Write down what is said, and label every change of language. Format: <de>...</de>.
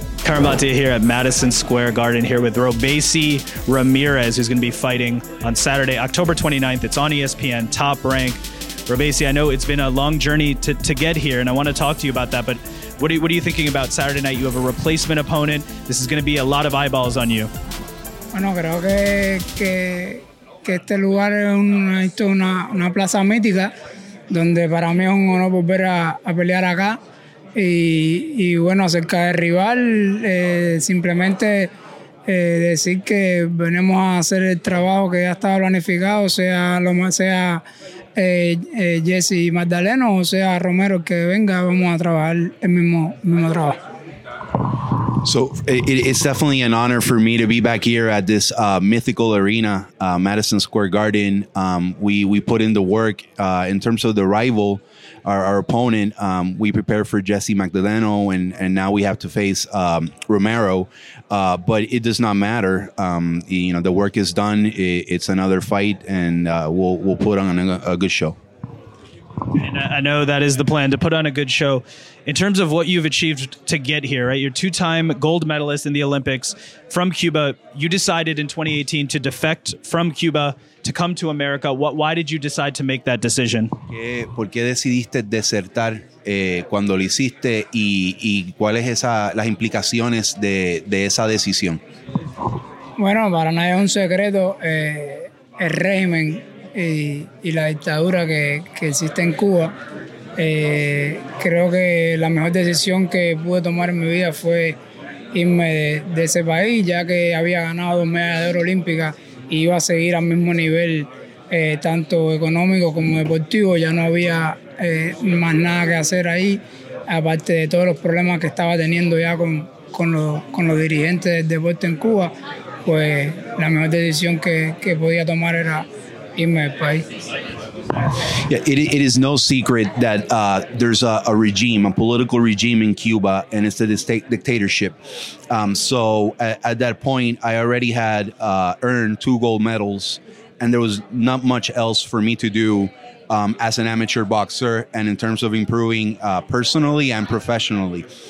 <en>Karen Bhatia here at Madison Square Garden, here with Robesi Ramirez, who's going to be fighting on Saturday, October 29th. It's on ESPN, Top Rank. Robesi, I know it's been a long journey to get here, and I want to talk to you about that, but what are you thinking about Saturday night? You have a replacement opponent. This is going to be a lot of eyeballs on you.</en> <es>Bueno, creo que este lugar es una plaza mítica, donde para mí es un honor volver a pelear acá. Y bueno, acerca del rival, simplemente decir que venimos a hacer el trabajo que ya estaba planificado, sea Jesse Magdaleno o sea Romero, que venga, vamos a trabajar el mismo trabajo.</es> <en>So it's definitely an honor for me to be back here at this mythical arena, Madison Square Garden. We put in the work in terms of the rival, our opponent. We prepared for Jesse Magdaleno, and now we have to face Romero. But it does not matter. You know, the work is done. It's another fight, and we'll put on a good show. And I know that is the plan, to put on a good show. In terms of what you've achieved to get here, right? You're 2-time gold medalist in the Olympics from Cuba. You decided in 2018 to defect from Cuba to come to America. Why did you decide to make that decision?</en> <es>¿Por qué decidiste desertar cuando lo hiciste? ¿Y cuáles son las implicaciones de esa decisión? Bueno, para nadie es un secreto el régimen. Y la dictadura que existe en Cuba, Creo que la mejor decisión que pude tomar en mi vida fue irme de ese país, ya que había ganado 2 medallas de oro olímpicas y iba a seguir al mismo nivel, tanto económico como deportivo. Ya no había más nada que hacer ahí, aparte de todos los problemas que estaba teniendo ya con los dirigentes del deporte en Cuba, pues la mejor decisión que podía tomar era irme del país.</es> <en>Yeah, it is no secret that there's a regime, a political regime in Cuba, and it's a dictatorship. So at that point, I already had earned 2 gold medals, and there was not much else for me to do as an amateur boxer and in terms of improving personally and professionally.</en>